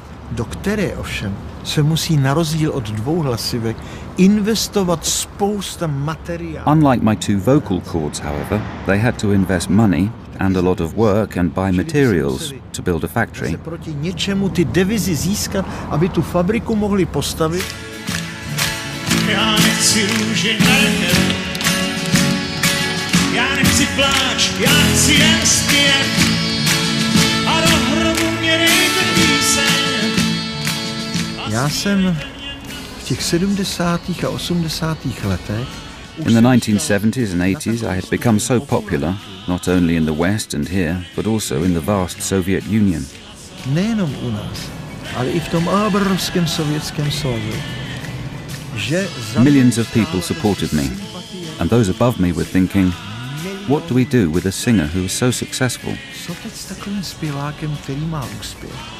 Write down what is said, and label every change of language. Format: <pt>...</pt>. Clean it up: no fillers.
<cs>Do které ovšem se musí na rozdíl od dvou hlasivek investovat spousta materiálu.</cs> <en>Unlike my two vocal cords, however, they had to invest money and a lot of work and buy materials to build a factory.</en> <cs>Proti něčemu ty devizi získat, aby tu fabriku mohli postavit. Já nechci růže, já nechci pláč, já chci jen zpět. Já jsem v těch 70. a 80. letech.</cs> <en>In the 1970s and 80s, I had become so popular, not only in the West and here, but also in the vast Soviet Union.</en> <cs>Nejenom u nás, ale i v tom obrovském sovětském svazu. Že</cs> <en>millions of people supported me, and those above me were thinking, what do we do with a singer who is so successful?</en> <cs>Co teď s takovým zpěvákem, který má úspěch?</cs>